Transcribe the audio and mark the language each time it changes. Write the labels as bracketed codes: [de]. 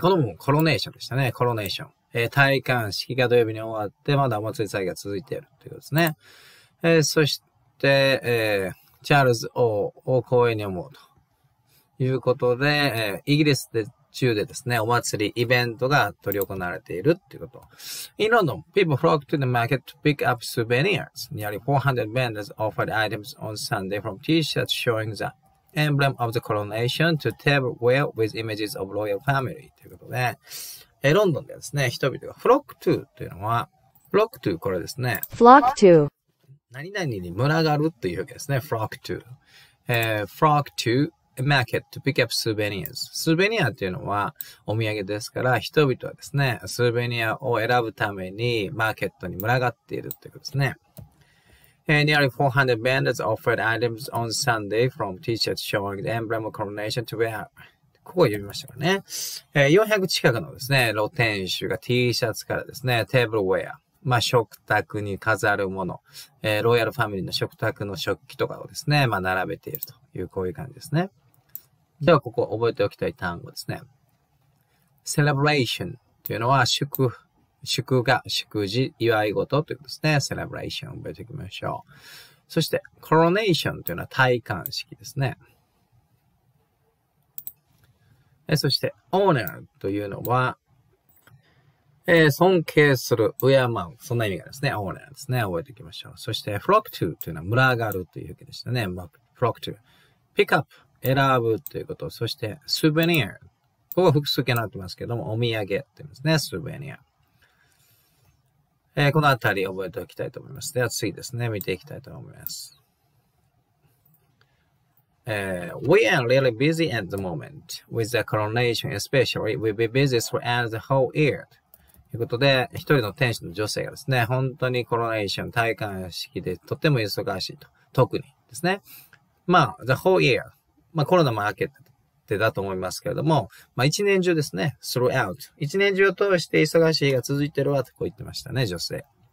[ja] この部分、コロネーションでしたね。コロネーション。戴冠式が土曜日に終わって、まだお祭り祭が続いているということですね。そして、チャールズ王を光栄に思うということで、イギリスで中でですね、お祭りイベントが取り行われているっていうこと。 [en] In London, people flocked to the market to pick up souvenirs. Nearly 400 vendors offered items on Sunday, from T-shirts showing the emblem of the coronation to tableware with images of royal family. [ja] ということで、ロンドンでですね、人々が flock to というのは、flock to これですね。 [en] flock to。 [ja] 何々に群がるというわけですね。 [en] flock to。 flock to a market to pick up souvenirs。 [ja] スーベニアというのはお土産ですから、人々はですね、スーベニアを選ぶためにマーケットに群がっているということですね。 [en] And nearly 400 vendors offered items on Sunday from t-shirts showing the emblem of coronation to wear. [ja] ここ読みましたかね。 400近くのですね、露店主が T シャツからですね、テーブルウェア。まあ、食卓に飾るもの、ロイヤルファミリーの食卓の食器とかをですね、まあ、並べているという、こういう感じですね。では、ここ覚えておきたい単語ですね。 celebration というのは、祝事、祝い事ということですね。 celebration 覚えておきましょう。そして、coronation というのは、戴冠式ですね。そして、honor というのは、尊敬する、敬う、そんな意味がですね、オーナーですね、覚えていきましょう。そして、flock to というのは、群がるという意味でしたね、flock to。 pick up、選ぶということ。そして、souvenir。ここは複数形になってますけども、お土産って言いますね、souvenir。このあたり覚えておきたいと思います。では、次ですね、見ていきたいと思います。 [en] We are really busy at the moment with the coronation, especially we'll be busy throughout the whole year. [ja] ということで、一人の天使の女性がですね、本当にコロネーション、戴冠式でとても忙しいと。特にですね。まあ、the whole year。まあ、コロナも明けてだと思いますけれども、まあ、一年中ですね、throughout。一年中を通して忙しいが続いてるわ、とこう言ってましたね、女性。